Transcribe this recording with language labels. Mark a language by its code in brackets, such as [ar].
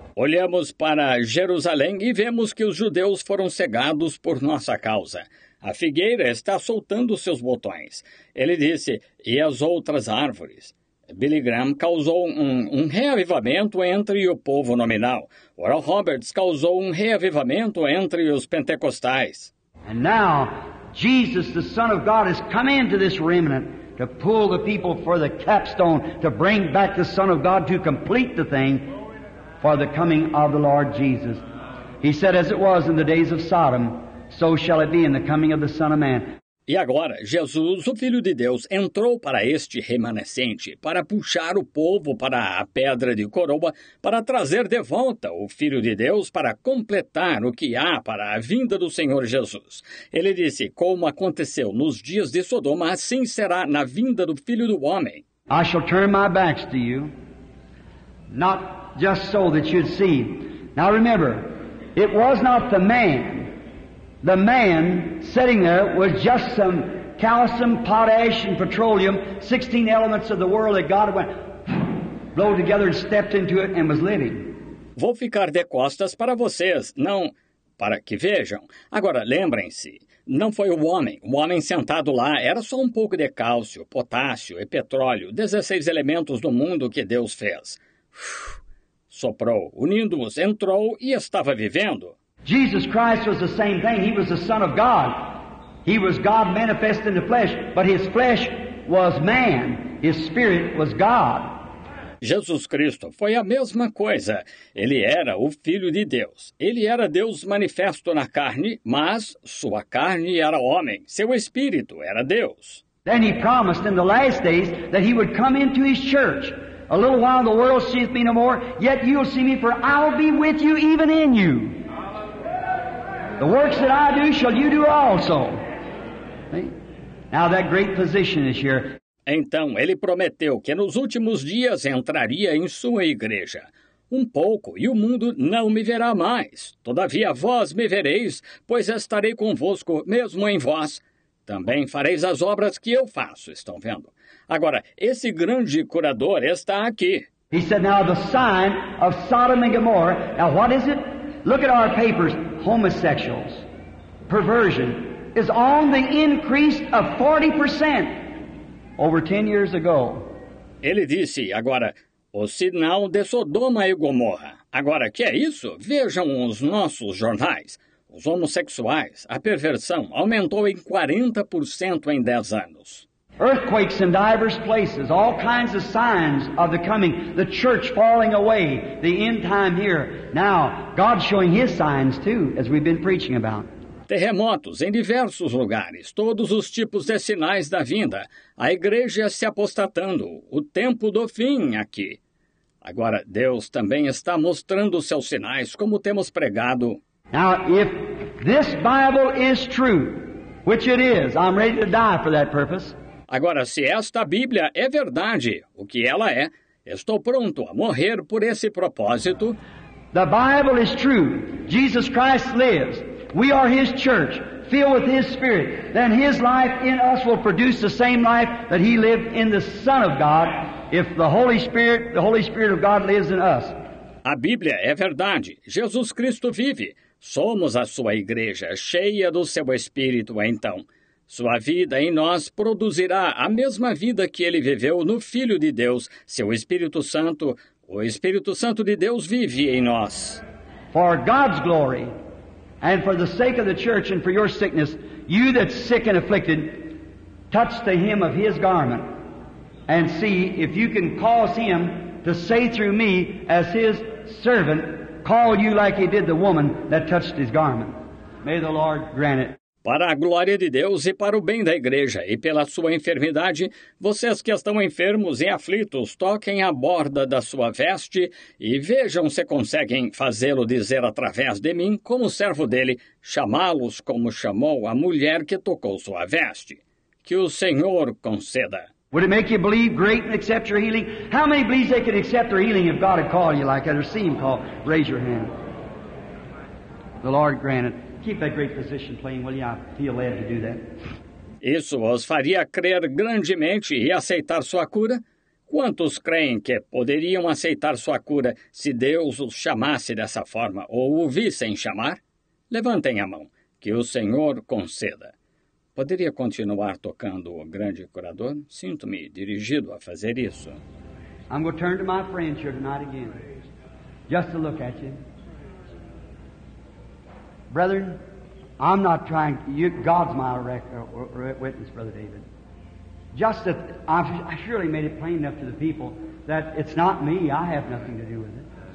[pt] Olhamos para Jerusalém e vemos que os judeus foram cegados por nossa causa. A figueira está soltando seus botões. Ele disse, e as outras árvores? Billy Graham causou um reavivamento entre o povo nominal. Oral Roberts causou um reavivamento entre os pentecostais. [en] And now, Jesus, the Son of God, has come into this remnant to pull the people for the capstone, to bring back the Son of God to complete the thing. For the coming of the Lord Jesus. He said, as it was in the days of Sodom, so shall it be in the coming of the Son of Man. [pt] E agora, Jesus, o Filho de Deus, entrou para este remanescente, para puxar o povo para a pedra de coroa, para trazer de volta o Filho de Deus, para completar o que há para a vinda do Senhor Jesus. Ele disse, como aconteceu nos dias de Sodoma, assim será na vinda do Filho do Homem. [en] I shall turn my backs to you, not just so that you'd see. Now remember, it was not the man. The man sitting there was just some calcium, potash, and petroleum, 16 elements of the world that God went, blow together and stepped into it and was living. [pt] Vou ficar de costas para vocês, não para que vejam. Agora, lembrem-se, não foi o homem. O homem sentado lá era só um pouco de cálcio, potássio e petróleo, 16 elementos do mundo que Deus fez. Soprou, unindo-os, entrou e estava vivendo. [en] Jesus Christ was the same thing. He was the Son of God. He was God manifest in the flesh, but his flesh was man. His spirit was God. [pt] Jesus Cristo foi a mesma coisa. Ele era o Filho de Deus. Ele era Deus manifesto na carne, mas sua carne era homem. Seu espírito era Deus. [en] Then he promised in the last days that he would come into his church. A little while the world seeth me no more, yet you'll see me, for I'll be with you even in you. The works that I do shall you do also. See? Now that great position is here. [pt] Então, ele prometeu que nos últimos dias entraria em sua igreja. Um pouco, e o mundo não me verá mais. Todavia, vós me vereis, pois estarei convosco, mesmo em vós. Também fareis as obras que eu faço, estão vendo? Agora, esse grande curador está aqui. [en] He said, now the sign of Sodom and Gomorrah. Now what is it? Look at our papers. Homosexuals. Perversion. Is on the increase of 40%. Over 10 years ago. [pt] Ele disse, agora, o sinal de Sodoma e Gomorra. Agora, que é isso? Vejam os nossos jornais. Os homossexuais, a perversão, aumentou em 40% em 10 anos. [en] Earthquakes in diverse places, all kinds of signs of the coming, the church falling away, the end time here. Now, God showing his signs too, as we've been preaching about. [pt] Terremotos em diversos lugares, todos os tipos de sinais da vinda, a igreja se apostatando, o tempo do fim aqui. Agora, Deus também está mostrando seus sinais, como temos pregado. [en] Now, if this Bible is true, which it is, I'm ready to die for that purpose. [pt] Agora, se esta Bíblia é verdade, o que ela é, estou pronto a morrer por esse propósito. [en] The Bible is true. Jesus Christ lives. We are his church, filled with his spirit. Then his life in us will produce the same life that he lived in the Son of God, if the Holy Spirit of God lives in us. [pt] A Bíblia é verdade. Jesus Cristo vive. Somos a sua igreja, cheia do seu espírito, então. Sua vida em nós produzirá a mesma vida que ele viveu no Filho de Deus, seu Espírito Santo. O Espírito Santo de Deus vive em nós. [en] For God's glory. And for the sake of the church and for your sickness, you that's sick and afflicted, touch the hem of his garment and see if you can cause him to say through me as his servant, call you like he did the woman that touched his garment. May the Lord grant it. [pt] Para a glória de Deus e para o bem da igreja e pela sua enfermidade, vocês que estão enfermos e aflitos, toquem a borda da sua veste e vejam se conseguem fazê-lo dizer através de mim, como servo dele, chamá-los como chamou a mulher que tocou sua veste. Que o Senhor conceda. [en] Would it make you believe great and accept your healing? How many believe they could accept their healing if God had called you like that or seen him call? Raise your hand. The Lord grant it. Keep that great position playing, will you? I feel led to do that. [pt] Isso os faria crer grandemente e aceitar sua cura? Quantos creem que poderiam aceitar sua cura se Deus os chamasse dessa forma ou o vissem chamar? Levantem a mão, que o Senhor conceda. Poderia continuar tocando o grande curador? Sinto-me dirigido a fazer isso. [en] I'm going to turn to my friend here tonight again, just to look at you. Brethren, I'm not trying to, God's my witness, Brother David. Just that I surely made it plain enough to the people that it's not me, I have nothing to do with it.